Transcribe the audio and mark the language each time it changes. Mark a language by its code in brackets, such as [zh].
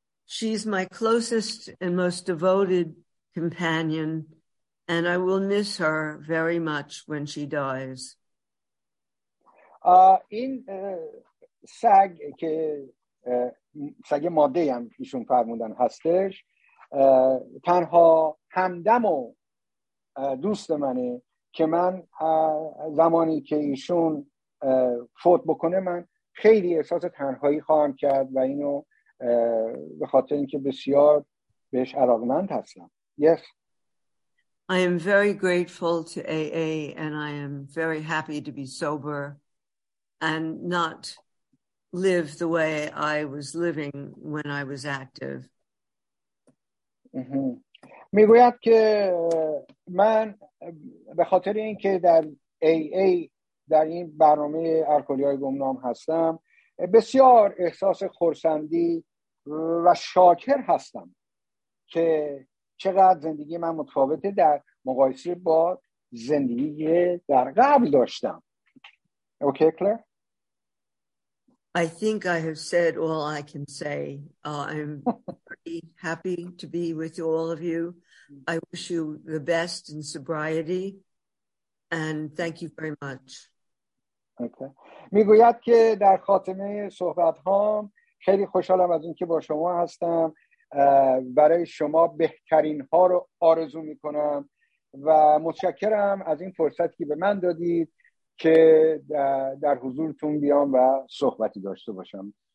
[en] She's my closest and most devoted companion, and I will miss her very much when she dies. [fa] این سگ که سگ ماده هم ایشون فرموندن هستش، تنها همدم و دوست منه که من زمانی که ایشون فوت بکنه من خیلی احساس تنهایی خواهم کرد و اینو به خاطر اینکه بسیار بهش علاقمند هستم. [en] Yes. I am very grateful to AA and I am very happy to be sober and not live the way I was living when I was active. [fa] میگوید که من به خاطر اینکه در AA در این برنامه الکلی‌های گمنام هستم بسیار احساس خرسندی و شاکر هستم که چقدر زندگی من متفاوته در مقایسه با زندگی در قبل داشتم. [en] Okay کلر؟ I think I have said all I can say. I'm pretty happy to be with all of you. I wish you the best in sobriety and thank you very much. [fa] میگوید که در خاتمه صحبت هام خیلی خوشحالم از اینکه با شما هستم، برای شما بهترین ها رو آرزو میکنم و متشکرم از این فرصتی که به من دادید که در حضورتون بیام و صحبتی داشته باشم.